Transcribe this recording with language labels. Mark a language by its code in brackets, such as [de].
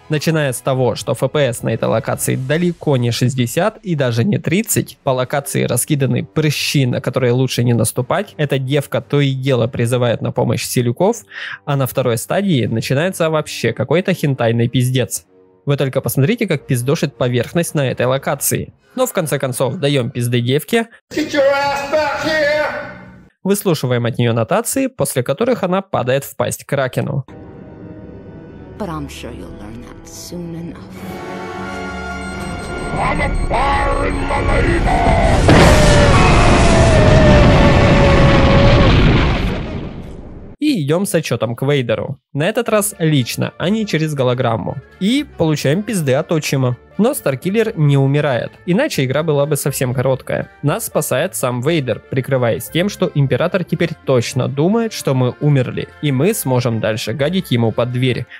[ru] Начиная с того, что FPS на этой локации далеко не 60 и даже не 30, по локации раскиданы прыщи, на которые лучше не наступать, эта девка то и дело призывает на помощь силюков, а на второй стадии начинает вообще какой-то хентайный пиздец. Вы только посмотрите, как пиздошит поверхность на этой локации. Но в конце концов, даем пизды девке, Выслушиваем от нее нотации, после которых она падает в пасть Кракену. [en] But I'm sure you'll learn that soon enough. [ru] И идем с отчетом к Вейдеру. На этот раз лично, а не через голограмму. И получаем пизды от отчима. Но Старкиллер не умирает, иначе игра была бы совсем короткая. Нас спасает сам Вейдер, прикрываясь тем, что Император теперь точно думает, что мы умерли, и мы сможем дальше гадить ему под дверь.